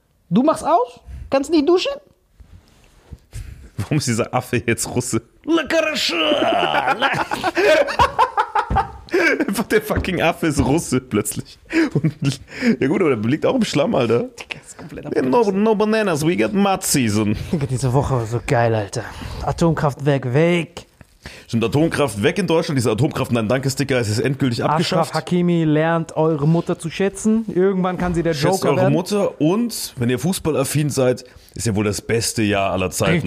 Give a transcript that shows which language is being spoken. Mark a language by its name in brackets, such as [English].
[German] Du machst aus, kannst nicht duschen. Warum ist dieser Affe jetzt Russe? Leckerische! Einfach der fucking Affe ist Russe plötzlich. Und, ja gut, aber der liegt auch im Schlamm, Alter. [English] No bananas, we got mud season. [German] Diese Woche war so geil, Alter. Atomkraftwerk weg. Stimmt, Atomkraft weg in Deutschland. Diese Atomkraft-Nein-Danke-Sticker ist jetzt endgültig abgeschafft. Ashraf Hakimi lernt eure Mutter zu schätzen. Irgendwann kann sie der Joker werden. Schätzt eure Mutter und, wenn ihr fußballaffin seid, ist ja wohl das beste Jahr aller Zeiten.